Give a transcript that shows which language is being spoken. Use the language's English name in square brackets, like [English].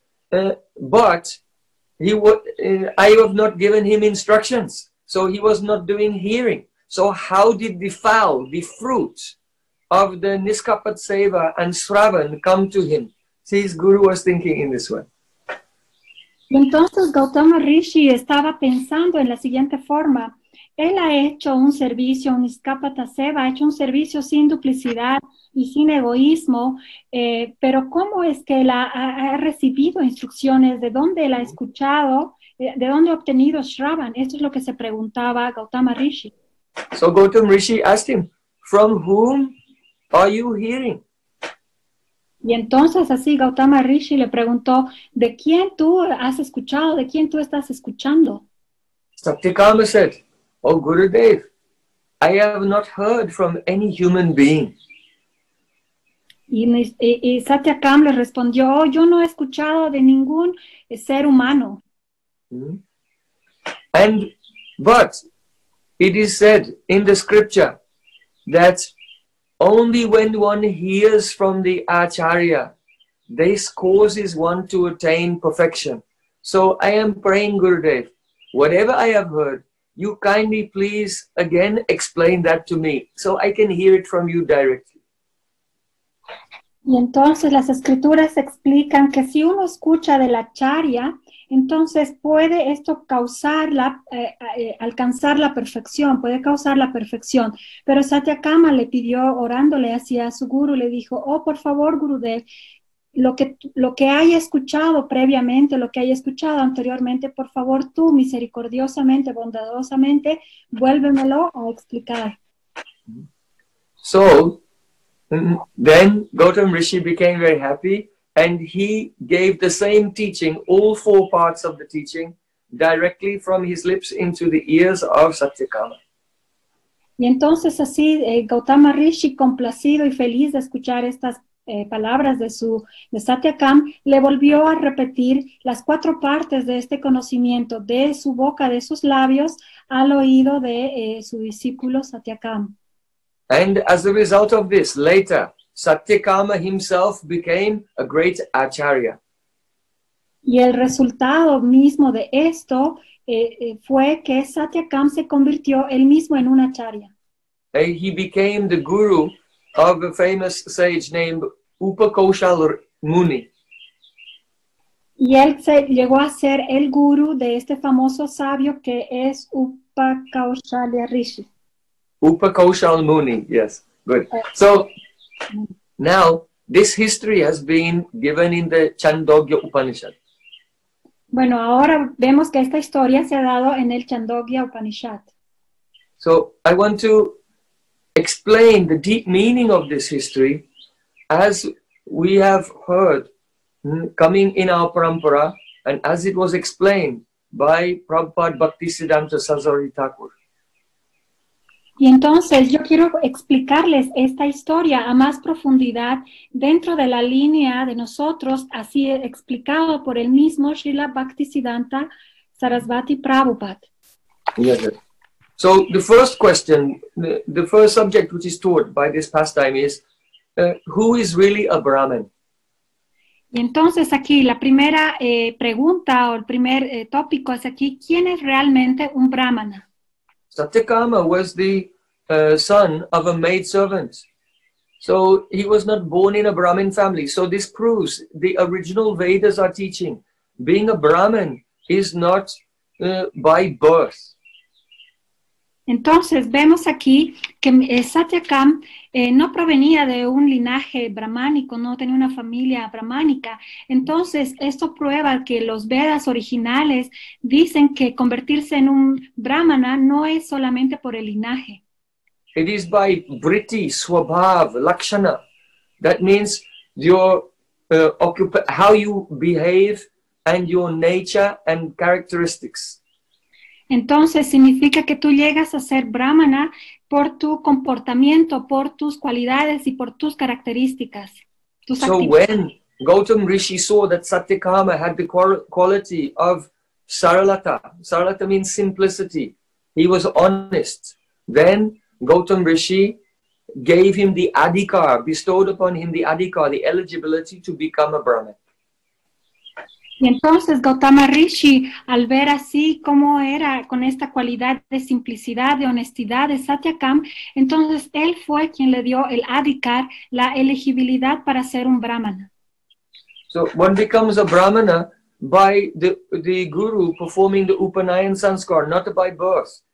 [English] But he would, I have not given him instructions, so he was not doing hearing. So how did the foul, the fruit of the niskapat seva and sravan come to him? See, his guru was thinking in this way. [Spanish] Entonces Gautama Rishi estaba pensando en la siguiente forma. Él ha hecho un servicio, un niskapata seva, ha hecho un servicio sin duplicidad y sin egoísmo, pero ¿cómo es que él ha recibido instrucciones? ¿De dónde él ha escuchado? ¿De dónde ha obtenido Shravan? Esto es lo que se preguntaba Gautama Rishi. [English] So Gautama Rishi asked him, from whom are you hearing? [Spanish] Y entonces así Gautama Rishi le preguntó, ¿de quién tú has escuchado? ¿De quién tú estás escuchando? [English] Satyakama said, oh Gurudev, I have not heard from any human being. [Spanish] Y Satyakam le respondió, oh, yo no he escuchado de ningún ser humano. [English] And but it is said in the scripture that only when one hears from the Acharya, this causes one to attain perfection. So I am praying, Gurudev, whatever I have heard, you kindly please again explain that to me so I can hear it from you directly. [Spanish] Y entonces las escrituras explican que si uno escucha de la Acharya, entonces puede esto causar alcanzar la perfección, puede causar la perfección. Pero Satyakama le pidió, orándole hacia su guru, le dijo, oh, por favor, Gurudev, lo que haya escuchado previamente, lo que haya escuchado anteriormente, por favor, tú, misericordiosamente, bondadosamente, vuélvemelo a explicar. [English] So, then Gautam Rishi became very happy. And he gave the same teaching, all four parts of the teaching, directly from his lips into the ears of Satyakama. [Spanish] Y entonces así, Gautama Rishi, complacido y feliz de escuchar estas palabras de Satyakama, le volvió a repetir las cuatro partes de este conocimiento, de su boca, de sus labios, al oído de su discípulo Satyakama. [English] And as a result of this, later, Satyakama himself became a great acharya. [Spanish] Y el resultado mismo de esto fue que Satyakama se convirtió él mismo en un acharya. [English] He became the guru of a famous sage named Upakoshal Muni. [Spanish] Y él llegó a ser el guru de este famoso sabio que es Upakoshala Rishi. [English] Upakoshal Muni, yes, good. So, now, this history has been given in the Chandogya Upanishad. [Spanish] Bueno, ahora vemos que esta historia se ha dado en el Chandogya Upanishad. [English] So I want to explain the deep meaning of this history as we have heard coming in our parampara and as it was explained by Prabhupada Bhaktisiddhanta Sasari Thakur. [Spanish] Y entonces yo quiero explicarles esta historia a más profundidad dentro de la línea de nosotros, así explicado por el mismo Srila Bhaktisiddhanta Sarasvati Prabhupada. [English] Yes. So the first question, the first subject which is taught by this pastime is, who is really a Brahmin? [Spanish] Y entonces aquí la primera pregunta o el primer tópico es aquí, ¿quién es realmente un Brahmana? [English] Satyakama was the son of a maid servant. So he was not born in a Brahmin family. So this proves the original Vedas are teaching. Being a Brahmin is not by birth. [Spanish] Entonces vemos aquí que Satyakam no provenía de un linaje brahmánico, no tenía una familia brahmánica. Entonces esto prueba que los Vedas originales dicen que convertirse en un brahmana no es solamente por el linaje. [English] It is by vritti, swabhav, lakshana. That means your how you behave and your nature and characteristics. [Spanish] Entonces, significa que tú llegas a ser brahmana por tu comportamiento, por tus cualidades y por tus características, tus [English] So [Spanish] actitudes. [English] When Gautam Rishi saw that Satyakama had the quality of Saralata, Saralata means simplicity, he was honest, then Gautam Rishi gave him the adhikar, bestowed upon him the adhikar, the eligibility to become a brahmana. [Spanish] Y entonces Gautama Rishi, al ver así cómo era con esta cualidad de simplicidad, de honestidad de Satyakam, entonces él fue quien le dio el adhikar, la elegibilidad para ser un brahmana. [English] So one becomes a brahmana by the guru performing the Upanayan Sanskar, not by birth.